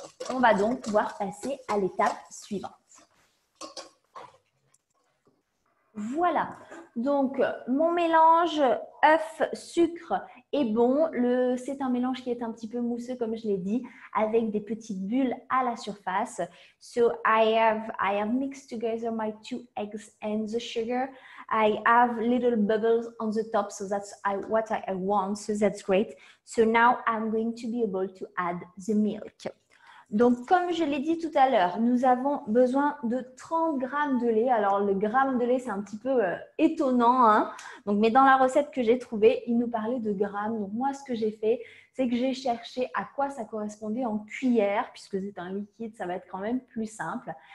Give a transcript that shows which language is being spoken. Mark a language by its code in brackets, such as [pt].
[fr] On va donc pouvoir passer à l'étape suivante. Voilà, Donc, mon mélange œuf, sucre et bon, c'est un mélange qui est un petit peu mousseux, comme je l'ai dit, avec des petites bulles à la surface. [en] So, I have mixed together my two eggs and the sugar. I have little bubbles on the top, so that's what I want, so that's great. So now, I'm going to be able to add the milk. [fr] Donc, comme je l'ai dit tout à l'heure, nous avons besoin de 30 grammes de lait. Alors, le gramme de lait, c'est un petit peu étonnant, hein? Donc, mais dans la recette que j'ai trouvée, il nous parlait de grammes. Donc, moi, ce que j'ai fait, c'est que j'ai cherché à quoi ça correspondait en cuillère, puisque c'est un liquide, ça va être quand même plus simple.